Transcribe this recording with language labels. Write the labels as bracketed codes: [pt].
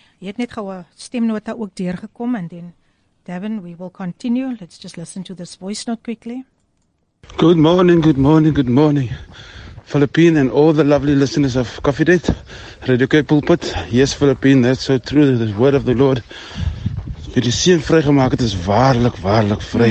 [af] Hy het net gou 'n stemnota ook deurgekom en dan Devin, [en] we will continue. Let's just listen to this voice note quickly. Good morning, good morning, good morning. Philippine and all the lovely listeners of Coffee Date, Radio K Pulpit. Yes, Philippine, that's so true. The word of the Lord. [af] Jy is seën vrygemaak, dit is waarlik, waarlik vry.